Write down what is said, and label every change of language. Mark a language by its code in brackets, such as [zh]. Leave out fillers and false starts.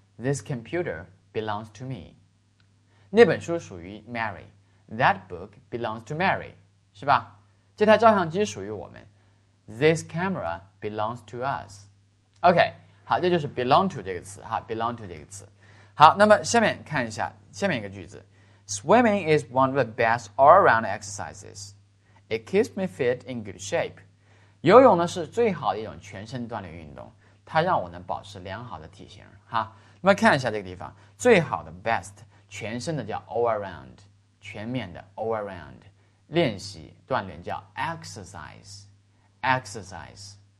[en] This computer belongs to me。 [zh] 那本书属于 [en] Mary。 That book belongs to Mary， [zh] 是吧？这台照相机属于我们。 [en] This camera belongs to us。 [zh] OK， 好，这就是 belong to 这个词哈， belong to 这个词。好，那么下面看一下下面一个句子。 [en] Swimming is one of the best all-around exercises. It keeps me fit in good shape. [zh] 游泳呢是最好的一种全身锻炼运动，它让我能保持良好的体型哈。那么看一下这个地方，最好的 best 全身的叫 all-around， 全面的 all-around 练习锻炼叫 exercise。